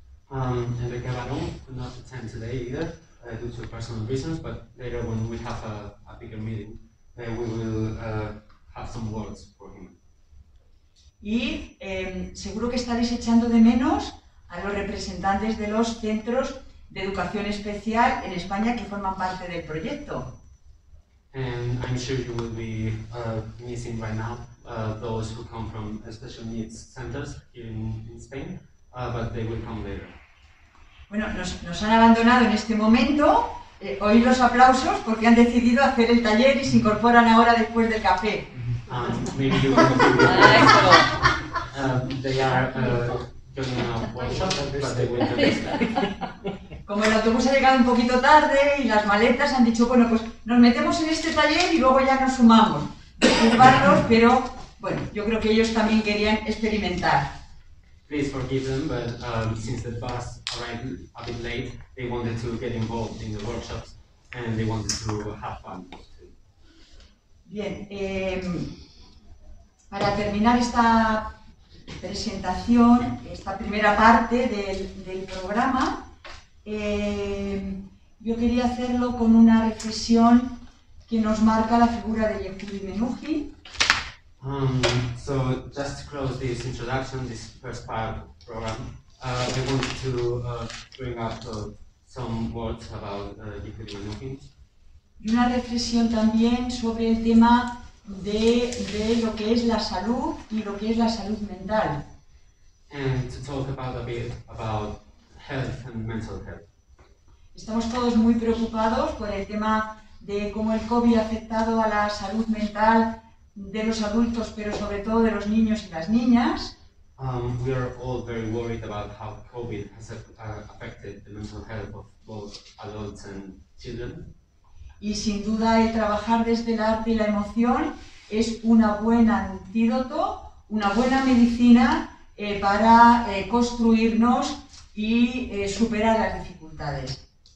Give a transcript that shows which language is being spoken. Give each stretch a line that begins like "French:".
English: Enrique Barón could not attend today either due to personal reasons, but later when we have a bigger meeting, we will have some words for him.
Spanish: Y seguro que estaréis echando de menos a los representantes de los centros de educación especial en España que forman parte del proyecto.
English: And I'm sure you will be missing by now those who come from special needs centers in Spain, but they will come later.
Spanish: Bueno, nos han abandonado en este momento. Oíd los aplausos porque han decidido hacer el taller y se incorporan ahora después del café.
English: Maybe you will be they are joining a workshop, but they will come.
Spanish: Como el autobús ha llegado un poquito tarde y las maletas, han dicho, bueno, pues nos metemos en este taller y luego ya nos sumamos. Disculparlos, pero bueno, yo creo que ellos también querían experimentar.
English: Please forgive them, but since the bus arrived a bit late, they wanted to get involved in the workshops and they wanted to have fun.
Spanish: Bien, para terminar esta presentación, esta primera parte del programa, yo quería hacerlo con una reflexión que nos marca la figura de Yehudi Menuhin.
English: So just to close this introduction, this first part of the program, I want to bring up some words about Yehudi Menuhin.
Spanish: Y una reflexión también sobre el tema de lo que es la salud y lo que es la salud mental.
English: And to talk about a bit about health and mental health.
Spanish: Estamos todos muy preocupados por el tema de cómo el COVID ha afectado a la salud mental de los adultos, pero sobre todo de los niños y las niñas.
English: We are all very worried about how COVID has affected the mental health of both adults and children.
Spanish: Y sin duda el trabajar desde el arte y la emoción es una buena antídoto, una buena medicina para construirnos y superar las dificultades.